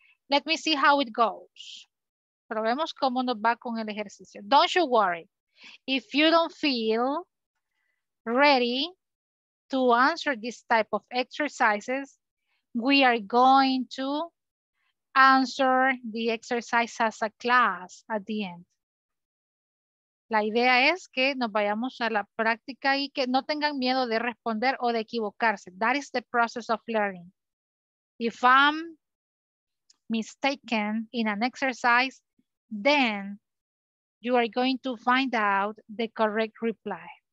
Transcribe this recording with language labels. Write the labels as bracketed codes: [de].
[en] Let me see how it goes. [es] Probemos cómo nos va con el ejercicio. [en] Don't you worry. If you don't feel ready to answer this type of exercises, we are going to answer the exercise as a class at the end. [es] La idea es que nos vayamos a la práctica y que no tengan miedo de responder o de equivocarse. [en] That is the process of learning. If I'm mistaken in an exercise, then you are going to find out the correct reply.